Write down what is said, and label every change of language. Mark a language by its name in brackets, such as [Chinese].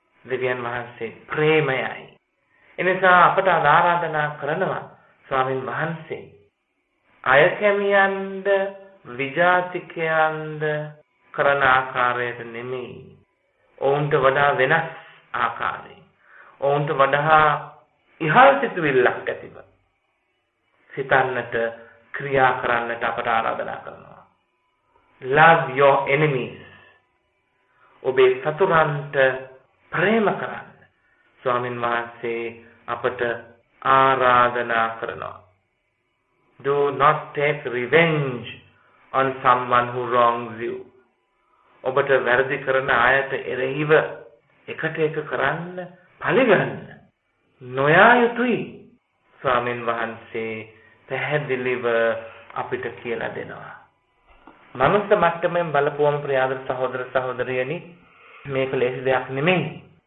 [Sinhala] දෙවියන් වහන්සේ ප්‍රේමයයි. එනිසා අපට ආරාධනා කරනවා ස්වාමීන් වහන්සේ අයකැමියන්ද විජාතිකයන්ද කරන ආකාරයට නෙමෙයි ඔවුන්ට වඩා වෙනස් ආකාරයෙන් ඔවුන්ට වඩා ඉහළ සිතුවිල්ලක් ඇතිව සිතන්නට ක්‍රියා කරන්නට අපට ආරාධනා කරනවා. [English] Love your enemies. [Sinhala] ඔබේ සතුරන්ට ප්‍රේම කරන්න ස්වාමීන් වහන්සේ අපට ආරාධනා කරනවා. [English] Do not take revenge on someone who wrongs you. [Sinhala] ඔබට වැරදි කරන අයට එරෙහිව එකට එක කරන්න පළිගන්න නොයා යුතුයි ස්වාමීන් වහන්සේ පැහැදිලිව අපිට කියලා දෙනවා. මනුස්ස මට්ටමෙන් බලපුවම ප්‍රියාදර සහෝදර සහෝදරියනි මේක ලේසි දෙයක් නෙමෙයි.